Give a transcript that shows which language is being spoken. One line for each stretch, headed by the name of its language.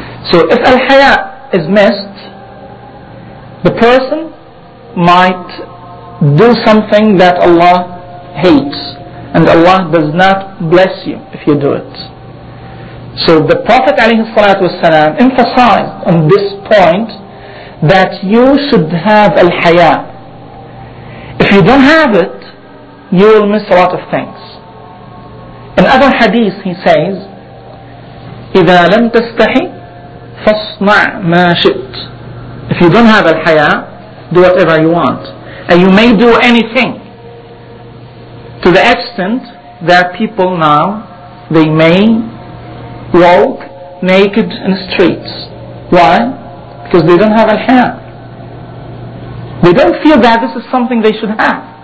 English: So if al-haya is missed, the person might do something that Allah hates, and Allah does not bless you if you do it. So the Prophet ﷺ emphasized on this point that you should have al-haya. If you don't have it, you will miss a lot of things. In other hadith he says,
Arabic: إِذَا لَمْ تَسْتَحِي فَاصْنَعْ مَا شِئْتْ.
English: If you don't have al-haya, do whatever you want. And you may do anything, to the extent that people now, they may walk naked in the streets. Why? Because they don't have al-haya. They don't feel that this is something they should have.